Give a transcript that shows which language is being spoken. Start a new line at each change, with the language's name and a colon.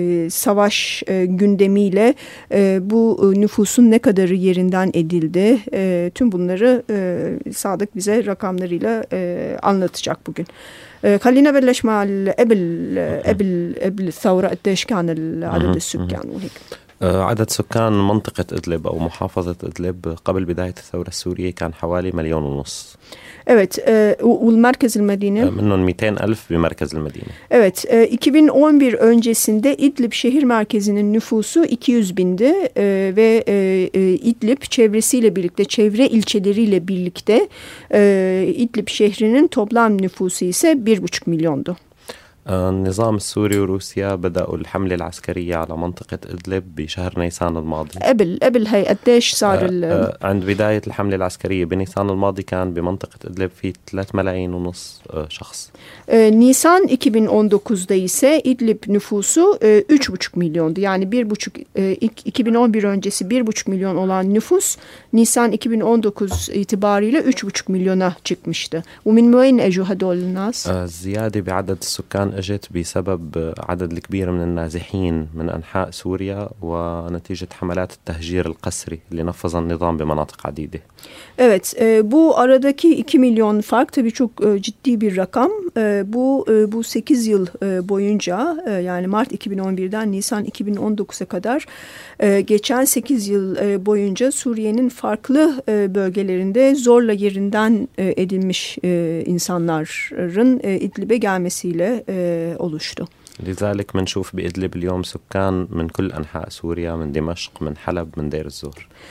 Turkish: savaş gündemiyle bu nüfusun ne kadarı yerinden edildi, tüm bunları Sadık bize rakamlarıyla anlatacak bugün.
Arabic: خلينا نبلش مع قبل قبل الثوره قديش كان عدد السكان وهيك. عدد سكان منطقة إدلب أو محافظة إدلب قبل بداية الثورة السورية كان حوالي 1.5 مليون. Evet, والمركز المدينة. منهم 200,000 بمركز المدينة.
Turkish: Evet, 2011 öncesinde İdlib şehir merkezinin nüfusu 200.000'di ve İdlib çevresiyle birlikte, çevre ilçeleriyle birlikte İdlib şehrinin toplam nüfusu ise 1.5 milyondu.
Arabic: النظام السوري وروسيا بدأوا الحملة العسكرية على منطقة إدلب بشهر نيسان الماضي. قبل هاي قديش صار عند بداية الحملة العسكرية بنيسان الماضي كان بمنطقة إدلب في 3.5 مليون شخص.
Turkish: نيسان 2019'da ise İdlib nüfusu 3.5 milyondu. Yani 2011 öncesi 1.5 milyon olan nüfus Nisan 2019 itibariyle 3.5 milyona çıkmıştı.
Arabic: ومن وين أجوا هدول الناس؟ زيادة بعدد السكان أجت بسبب عدد كبير من النازحين من أنحاء سوريا ونتيجة حملات التهجير القسري اللي نفذ النظام بمناطق عديدة.
Turkish: Evet, bu aradaki 2 milyon fark tabii çok ciddi bir rakam. Bu 8 yıl boyunca, yani Mart 2011'den Nisan 2019'a kadar geçen 8 yıl boyunca Suriye'nin farklı bölgelerinde zorla yerinden edilmiş insanların İdlib'e gelmesiyle oluştu.
Arabic: لذلك منشوف بإدلب اليوم سكان من كل أنحاء سوريا, من دمشق, من حلب, من دير الزور.